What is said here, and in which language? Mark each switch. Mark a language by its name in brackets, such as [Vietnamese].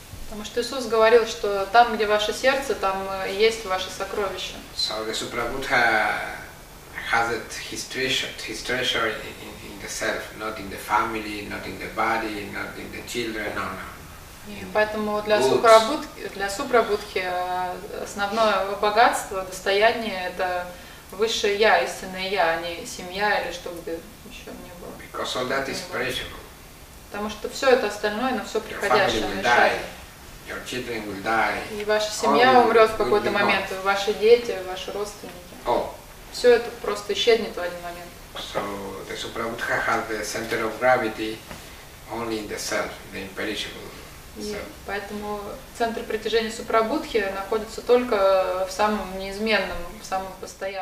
[Russian] Потому что Иисус говорил, что там, где ваше сердце, там есть ваше сокровище. [English] So the Supra-Buddha has it, his treasure in the self, not in the family, not in the body, not in the children, no, no. [Russian] Поэтому для Супрабудхи основное богатство, достояние – это высшее я, истинное я, а не семья или что бы еще не было. [English] Because all that is perishable. [Russian] Потому что все это остальное, но все приходящее мешает. [English] Your children will die. [Russian] И ваша семья умрет в какой-то момент, и ваши дети, и ваши родственники. Все это просто исчезнет в один момент. [English] So the Supra-Buddha has the center of gravity only in the self, the imperishable self. [Russian] Поэтому центр притяжения Супрабудхи находится только в самом неизменном, в самом постоянном.